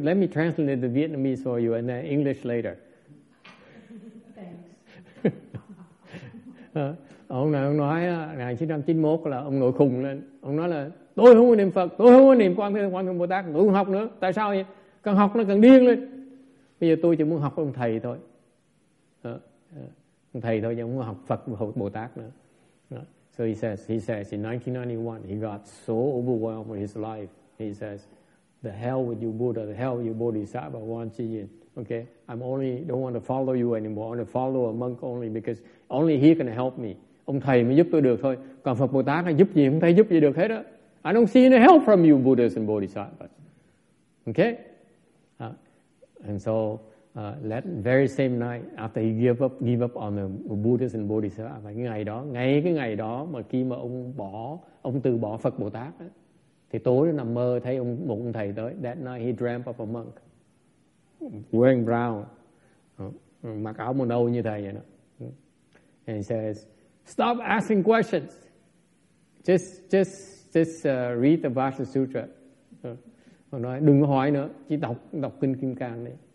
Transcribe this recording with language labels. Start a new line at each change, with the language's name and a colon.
English: Let me translate the Vietnamese for you and then English later. Thanks.
Vietnamese: Ông này ông nói 1991 là ông nội khùng lên. Ông nói là tôi không có niệm Phật, tôi không có niệm Quan Thế Âm Bồ Tát, tôi không học nữa. Tại sao vậy? Càng học nó càng điên lên. Bây giờ tôi chỉ muốn học ông thầy thôi. Thầy thôi, chứ không có học Phật, học Bồ Tát nữa.
English: So he says in 1991 he got so overwhelmed with his life. He says, the hell with you Buddha, the hell with you Bodhisattva, Wan Chiyin. Okay, I'm only don't want to follow you anymore. I want to follow a monk only because only he can help me.
Vietnamese: Ông thầy mới giúp tôi được thôi. Còn Phật Bồ Tát giúp gì không thầy giúp gì được hết đó.
English: I don't see any help from you Buddhas and Bodhisattvas. Okay, and so. That very same night after he gave up on the Buddhas and Bodhisattvas,
Vietnamese: ngày đó mà khi mà ông từ bỏ Phật Bồ Tát ấy, thì tối nằm mơ thấy một ông thầy tới.
English: That night he dreamt of a monk wearing brown,
Vietnamese: mặc áo màu nâu như thầy vậy đó.
English: And he says, stop asking questions, just read the Vajra Sutra.
Vietnamese: Ông nói đừng hỏi nữa, chỉ đọc kinh Kim Cang đi.